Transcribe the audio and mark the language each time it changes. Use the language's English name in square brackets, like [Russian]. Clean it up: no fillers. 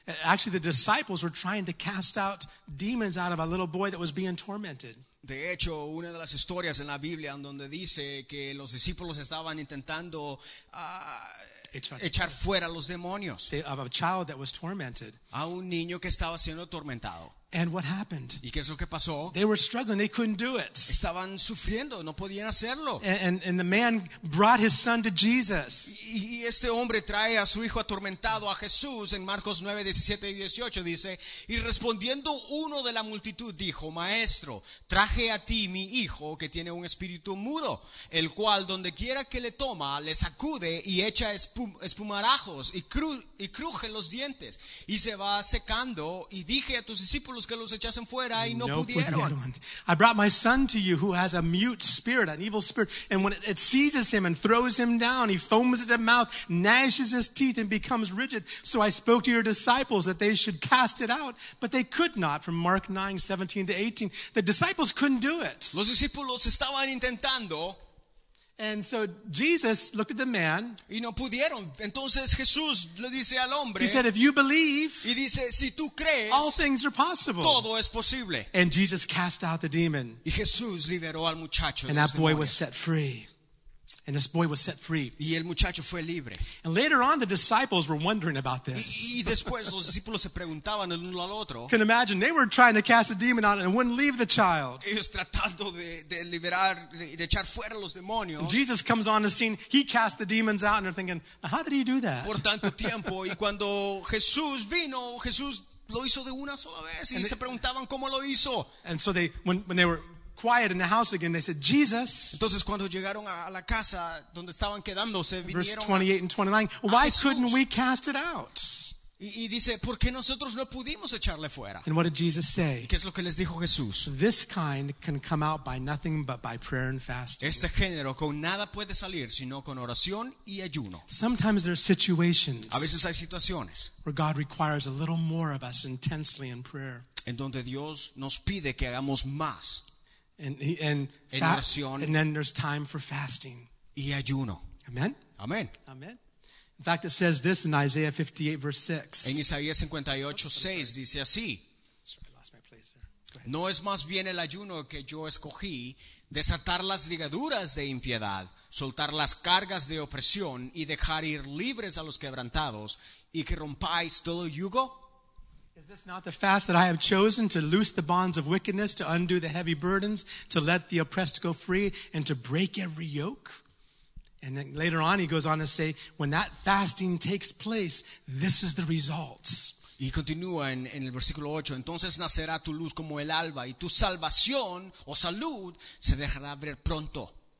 [English] Actually, the disciples were trying to cast out demons out of a little boy that was being tormented. [Spanish] De hecho, una de las historias en la Biblia donde dice que los discípulos estaban intentando echar fuera los demonios. [English] Of a child that was tormented. [Spanish] A un niño que estaba siendo atormentado. [English] And what happened? [Spanish] ¿Y qué es lo que pasó? [English] They were struggling. They couldn't do it. [Spanish] Estaban sufriendo. No podían hacerlo. [English] And the man brought his son to Jesus. [Spanish] Y este hombre trae a su hijo atormentado a Jesús. En Marcos 9, 17 y 18 dice, y respondiendo uno de la multitud dijo, Maestro, traje a ti mi hijo que tiene un espíritu mudo, el cual donde quiera que le toma, le sacude y echa espumarajos y cruje los dientes. Y se va secando y dije a tus discípulos, los que los echasen fuera y no pudieron. [English] I brought my son to you who has a mute spirit, an evil spirit, and when it seizes him and throws him down, he foams at the mouth, gnashes his teeth, and becomes rigid. So I spoke to your disciples that they should cast it out, but they could not. From Mark 9, 17 to 18, the disciples couldn't do it. [Spanish] Los discípulos estaban intentando. [English] And so Jesus looked at the man. [Spanish] Y no pudieron. Entonces Jesús le dice al hombre. [English] He said, "If you believe." [Spanish] Y dice, si tú crees. [English] All things are possible. [Spanish] Todo es posible. [English] And Jesus cast out the demon. [Spanish] Y Jesús liberó al muchacho. [English] And that boy was set free. And this boy was set free. [Spanish] Y el muchacho fue libre. [English] And later on, the disciples were wondering about this. [Spanish] Y después los discípulos se preguntaban el uno al otro. [English] Can imagine, they were trying to cast a demon out and wouldn't leave the child. [Spanish] Ellos tratando de liberar, de echar fuera los demonios. [English] And Jesus comes on the scene, he cast the demons out, and they're thinking, how did he do that? [Spanish] Por tanto tiempo, y cuando Jesús vino, Jesús lo hizo de una sola vez, y se preguntaban cómo lo hizo. [English] And so they, when they were quiet in the house again, they said, Jesus. [Spanish] Entonces, cuando llegaron a la casa donde estaban quedándose, vinieron [English] verse 28 and 29, why couldn't we cast it out? [Spanish] Y dice, ¿por qué nosotros no pudimos echarle fuera? [English] And what did Jesus say? [Spanish] ¿Qué es lo que les dijo Jesús? [English] This kind can come out by nothing but by prayer and fasting. [Spanish] Este género con nada puede salir sino con oración y ayuno. [English] Sometimes there are situations, [Spanish] a veces hay situaciones, [English] where God requires a little more of us intensely in prayer. [Spanish] En donde Dios nos pide que hagamos más. [English] And then there's time for fasting. [Spanish] Y ayuno. [English] Amen. [Spanish] Amen. Amen. [English] In fact, it says this in Isaiah 58, verse 6. [Spanish] En Isaías 58, 6, dice así. [English] Sorry, I lost my place there. [Spanish] No es más bien el ayuno que yo escogí, desatar las ligaduras de impiedad, soltar las cargas de opresión y dejar ir libres a los quebrantados y que rompáis todo yugo. [English] Is this not the fast that I have chosen, to loose the bonds of wickedness, to undo the heavy burdens, to let the oppressed go free, and to break every yoke? And then later on he goes on to say, when that fasting takes place, this is the results. [Spanish] Y continúa en el versículo 8, entonces nacerá tu luz como el alba, y tu salvación o salud se dejará ver pronto.